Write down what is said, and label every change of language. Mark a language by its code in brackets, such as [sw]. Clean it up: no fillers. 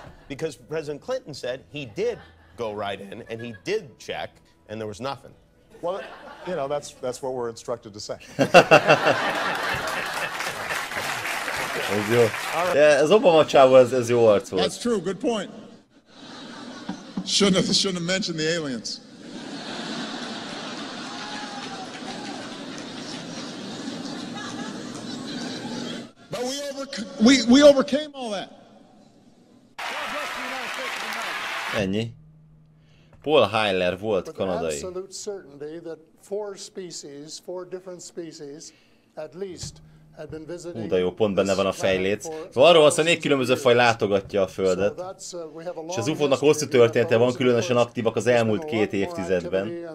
[en] Because President Clinton said he did go right in and he did check and there was nothing. Well, you know, that's what we're instructed to say. [hu] Ez jó. Ez dobom a csávó, ez jó arc volt. [en] That's true, good point. Shouldn't have mentioned the aliens. But we overcame all that. [hu] Ennyi. Paul Heiler volt kanadai. [en] With absolute certainty that four different species, at least, had been visiting. [hu] Hú, de jó, pont benne van a fejléc. Arról van szó, hogy 4 különböző faj látogatja a Földet. És az UFO-nak hosszú története van, különösen aktívak az elmúlt 2 évtizedben.